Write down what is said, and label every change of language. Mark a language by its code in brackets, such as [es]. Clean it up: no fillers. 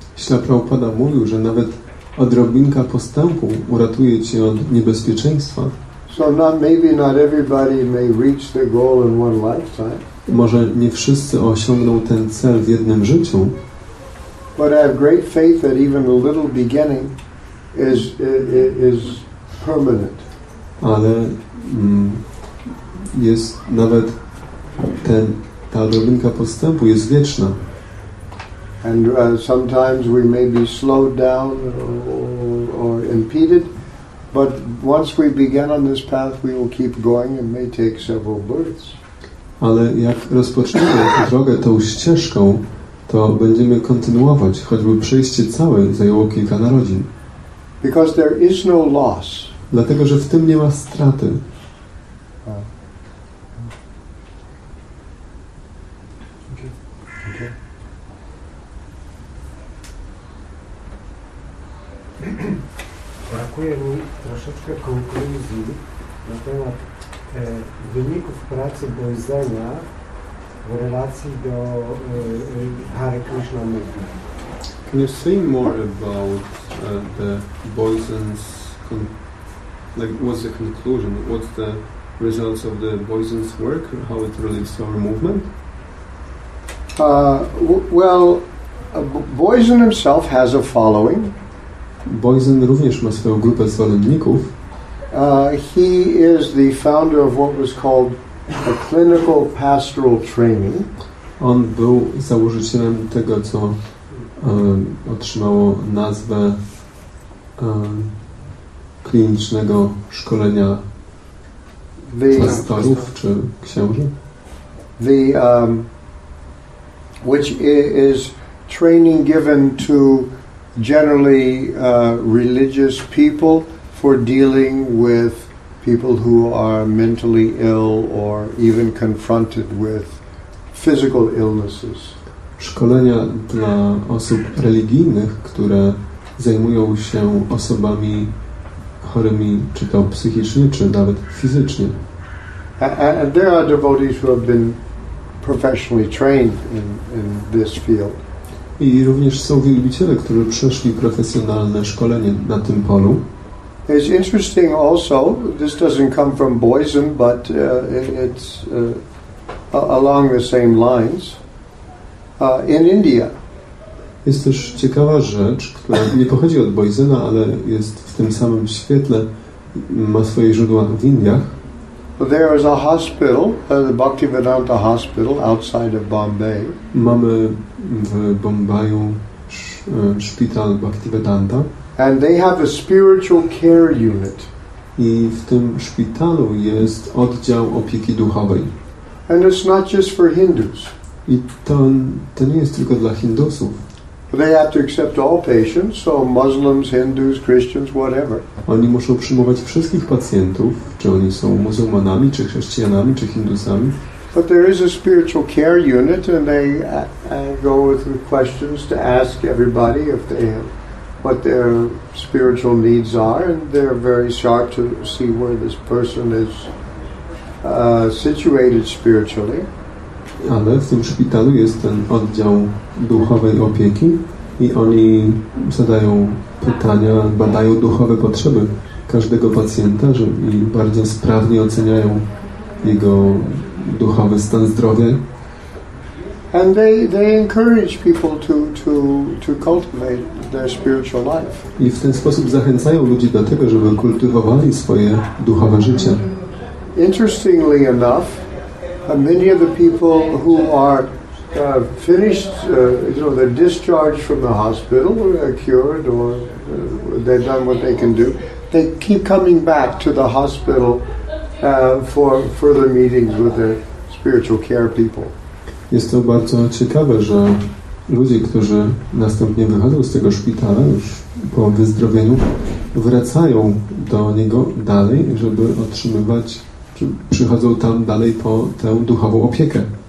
[pl] Śla Prabhupada mówił, że nawet odrobinka postępu uratuje cię od niebezpieczeństwa. [en] So not, maybe not everybody may reach their goal in one lifetime. [pl] Może nie wszyscy osiągną ten cel w jednym życiu. [en] But I have great faith that even a little beginning is permanent. [pl] Ale jest nawet ta odrobinka postępu jest wieczna. [en] And sometimes we may be slowed down or impeded, but once we begin on this path, we will keep going and may take several births. [pl] Ale jak rozpoczniemy tę drogę, tą ścieżką, to będziemy kontynuować, choćby przejście całe zajęło kilka narodzin. [en] Because there is no loss. [pl] Dlatego, że w tym nie ma straty. Brakuje mi troszeczkę konkluzji na temat wyników pracy Bojzenia w relacji do [en] Hare Krishna movement. Can you say more about the Bojzen's what's the conclusion? What's the results of the Bojzen's work? How it relates to our movement? Bojzen himself has a following. [pl] Bojzen również ma swoją grupę zwolenników. [en] He is the founder of what was called a clinical pastoral training. [pl] On był założycielem tego, co otrzymało nazwę klinicznego szkolenia pastorów czy księży. [en] Which is training given to generally religious people for dealing with people who are mentally ill or even confronted with physical illnesses. [pl] Szkolenia dla osób religijnych, które zajmują się osobami chorymi, czy to psychicznie, czy nawet fizycznie. [en] And there are devotees who have been professionally trained in this field. [pl] I również są wielbiciele, którzy przeszli profesjonalne szkolenie na tym polu. [en] It's interesting also, this doesn't come from Bojzen, but it's along the same lines, in India. [pl] Jest też ciekawa rzecz, która nie pochodzi od Bojzena, ale jest w tym samym świetle, ma swoje źródła w Indiach. [en] There is a hospital, the Bhaktivedanta Hospital outside of Bombay. [pl] Mamy w Bombaju szpital Bhaktivedanta. [en] And they have a spiritual care unit. [pl] I w tym szpitalu jest oddział opieki duchowej. [en] And it's not just for Hindus. [pl] I to nie jest tylko dla Hindusów. [en] They have to accept all patients, so Muslims, Hindus, Christians, whatever. [pl] Oni muszą przyjmować wszystkich pacjentów, czy oni są muzułmanami, czy chrześcijanami, czy hindusami. [en] But there is a spiritual care unit, and they go with the questions to ask everybody if they have what their spiritual needs are, and they're very sharp to see where this person is situated spiritually. [pl] Ale w tym szpitalu jest ten oddział duchowej opieki i oni zadają pytania, badają duchowe potrzeby każdego pacjenta i bardzo sprawnie oceniają jego duchowy stan zdrowia. [en] And they encourage people to cultivate their spiritual life. [pl] I w ten sposób zachęcają ludzi do tego, żeby kultywowali swoje duchowe życie. [en] Interestingly enough, many of the people who are finished, they're discharged from the hospital, cured, or they've done what they can do, they keep coming back to the hospital for further meetings with their spiritual care people. [pl] Jest to bardzo ciekawe, że ludzie, którzy następnie wychodzą z tego szpitala już po wyzdrowieniu, wracają do niego dalej, żeby otrzymywać. Przychodzą tam dalej po tę duchową opiekę.